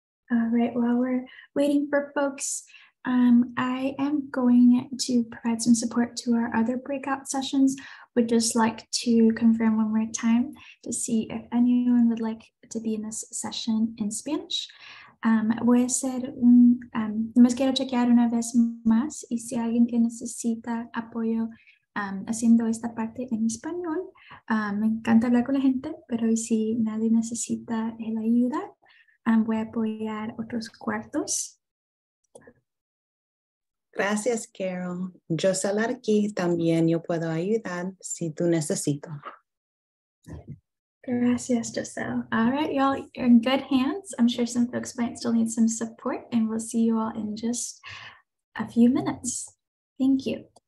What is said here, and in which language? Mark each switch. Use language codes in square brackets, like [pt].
[en] All right, while we're waiting for folks, I am going to provide some support to our other breakout sessions. Would just like to confirm one more time to see if anyone would like to be in this session in Spanish. [es] Voy a hacer un hemos querido chequear una vez más y si alguien que necesita apoyo haciendo esta parte en español, me encanta hablar con la gente, pero si nadie necesita la ayuda, voy a apoyar otros cuartos. Gracias, Carol. Yo salar aquí también, yo puedo ayudar si tú necesito. Gracias, [en] Giselle. All right, y'all, you're in good hands. I'm sure some folks might still need some support, and we'll see you all in just a few minutes. Thank you.